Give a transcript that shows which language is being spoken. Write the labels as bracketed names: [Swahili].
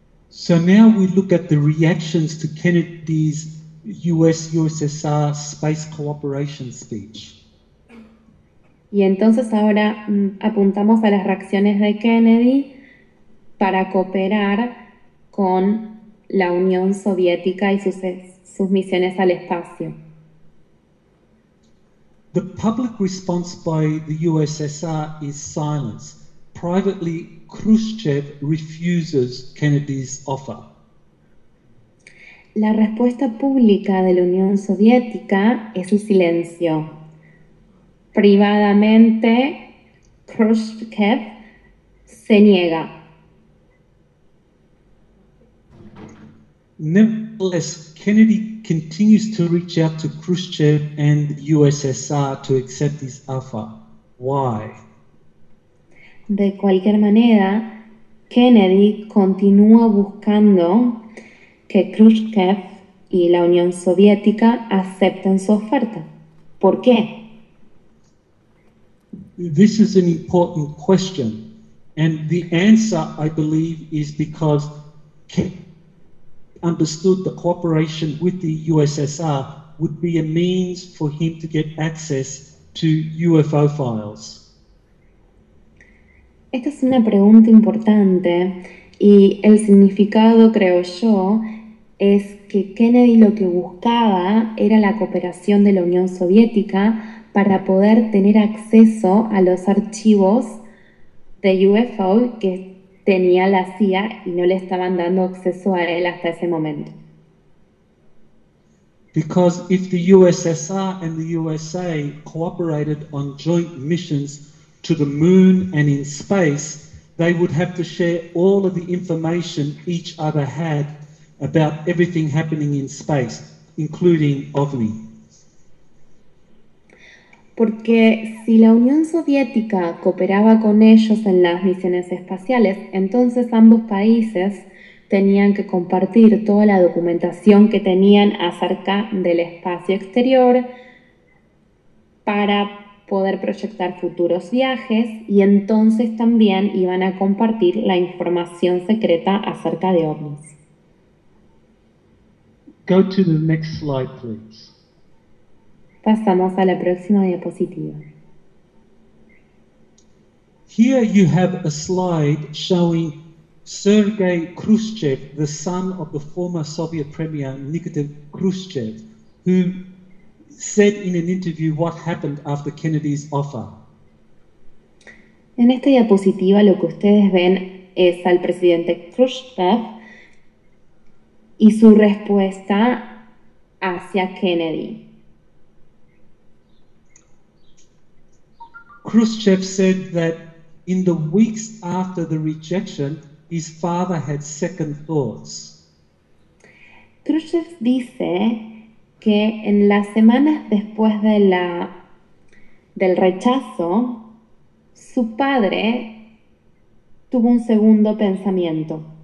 [English] So now we look at the reactions to Kennedy's US-USSR space cooperation speech. [Spanish] Y entonces ahora apuntamos a las reacciones de Kennedy para cooperar con la Unión Soviética y sus misiones al espacio. [English] The public response by the USSR is silence. Privately, Khrushchev refuses Kennedy's offer. [Spanish] La respuesta pública de la Unión Soviética es el silencio. Privadamente, Khrushchev se niega. [English] Nevertheless, Kennedy continues to reach out to Khrushchev and the USSR to accept his offer. Why? [Spanish] De cualquier manera, Kennedy continúa buscando que Khrushchev y la Unión Soviética acepten su oferta. ¿Por qué? [English] This is an important question, and the answer, I believe, is because Kennedy understood the cooperation with the USSR would be a means for him to get access to UFO files. [Spanish] Esta es una pregunta importante y el significado, creo yo, es que Kennedy lo que buscaba era la cooperación de la Unión Soviética para poder tener acceso a los archivos de UFO que tenía la CIA y no le estaban dando acceso a él hasta ese momento. [English] Because if the USSR and the USA cooperated on joint missions to the moon and in space, they would have to share all of the information each other had about everything happening in space, including OVNI. [Spanish] Porque si la Unión Soviética cooperaba con ellos en las misiones espaciales, entonces ambos países tenían que compartir toda la documentación que tenían acerca del espacio exterior para poder proyectar futuros viajes y entonces también iban a compartir la información secreta acerca de OVNIs. [English] Go to the next slide, please. [Spanish] Pasamos a la próxima diapositiva. [English] Here you have a slide showing Sergei Khrushchev, the son of the former Soviet Premier Nikita Khrushchev, who said in an interview what happened after Kennedy's offer. [Spanish] En esta diapositiva lo que ustedes ven es al presidente Khrushchev y su respuesta hacia Kennedy. [English] Khrushchev said that in the weeks after the rejection, his father had second thoughts. [Spanish] Khrushchev dice que en las semanas después de del rechazo, su padre tuvo un segundo pensamiento.